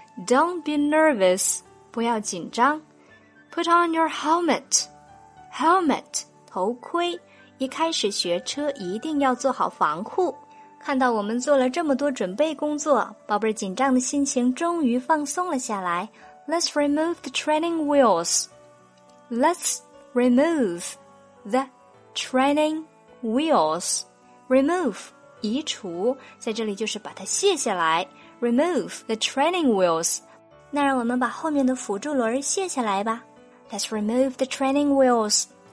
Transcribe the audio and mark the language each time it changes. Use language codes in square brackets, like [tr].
[en] don't be nervous， [zh] 不要紧张。 [en] Put on your helmet. Helmet, [zh] 头盔。一开始学车一定要做好防护。看到我们做了这么多准备工作，宝贝紧张的心情终于放松了下来。 [en] Let's remove the training wheels. Let's remove the training wheels. [zh] Remove, 移除，在这里就是把它卸下来。 [en] Remove the training wheels. [zh] 那让我们把后面的辅助轮卸下来吧。 [en] Let's remove the training wheels.